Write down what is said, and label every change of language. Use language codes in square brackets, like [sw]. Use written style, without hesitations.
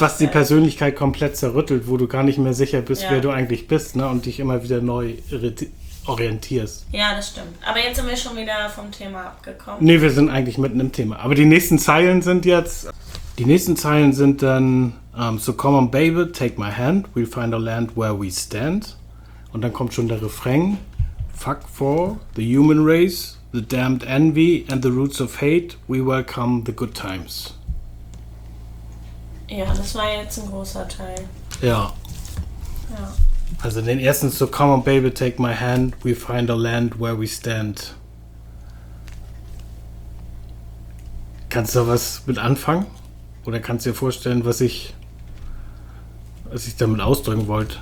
[de] Was die Persönlichkeit komplett zerrüttelt, wo du gar nicht mehr sicher bist, wer du eigentlich bist, ne, und dich immer wieder neu orientierst. Ja, das stimmt. Aber jetzt sind wir schon wieder vom Thema abgekommen. Nee, wir sind eigentlich mitten im Thema. Aber die nächsten Zeilen sind dann... [en] So come on baby, take my hand, we'll find a land where we stand. [de] Und dann kommt schon der Refrain. [en] Fuck for the human race, the damned envy and the roots of hate, we welcome the good times. [de] Ja, das war jetzt ein großer Teil. Ja. Also den ersten, [en] so come on baby, take my hand, we find a land where we stand. [de] Kannst du da was mit anfangen? Oder kannst du dir vorstellen, was ich damit ausdrücken wollte.